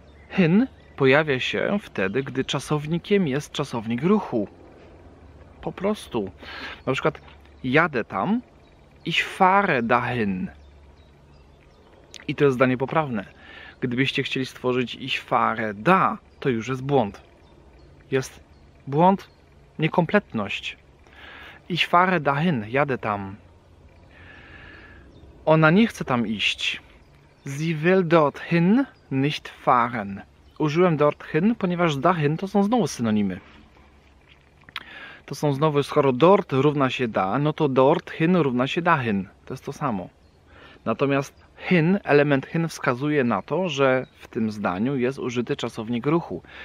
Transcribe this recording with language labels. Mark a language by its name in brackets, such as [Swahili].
[Polish] Hin pojawia się wtedy, gdy czasownikiem jest czasownik ruchu. Po prostu. Na przykład jadę tam. [German] Ich fahre dahin. [Polish] I to jest zdanie poprawne. Gdybyście chcieli stworzyć [German] ich fahre da, [Polish] to już jest błąd. Jest błąd, niekompletność. [German] Ich fahre dahin, [Polish] jadę tam. Ona nie chce tam iść. [German] Sie will dorthin nicht fahren. [Polish] Użyłem dorthin, ponieważ dahin to są znowu synonimy. To są znowu, skoro dort równa się da, no to dorthin równa się dahin. To jest to samo. Natomiast hin, element hin wskazuje na to, że w tym zdaniu jest użyty czasownik ruchu.